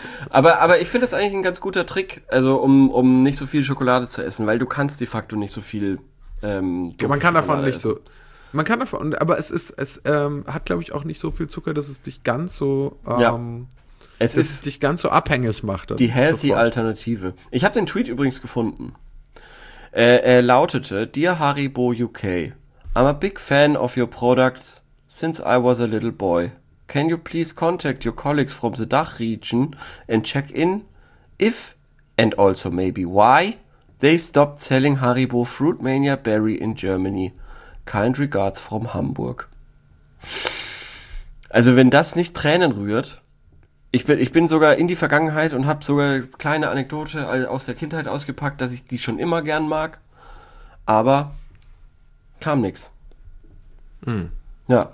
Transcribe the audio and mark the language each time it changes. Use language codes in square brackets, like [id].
[de] Aber ich finde das eigentlich ein ganz guter Trick, also um nicht so viel Schokolade zu essen, weil du kannst de facto nicht so viel Man kann davon, aber es hat, glaube ich, auch nicht so viel Zucker, dass es dich ganz so es dich ganz so abhängig macht. Die healthy sofort. Alternative. Ich habe den Tweet übrigens gefunden. Er lautete: [en] Dear Haribo UK, I'm a big fan of your product since I was a little boy. Can you please contact your colleagues from the Dach region and check in if and also maybe why they stopped selling Haribo Fruit Mania Berry in Germany? Kind regards from Hamburg. [de] Also wenn das nicht Tränen rührt, ich bin sogar in die Vergangenheit und habe sogar eine kleine Anekdote aus der Kindheit ausgepackt, dass ich die schon immer gern mag, aber kam nix. Ja.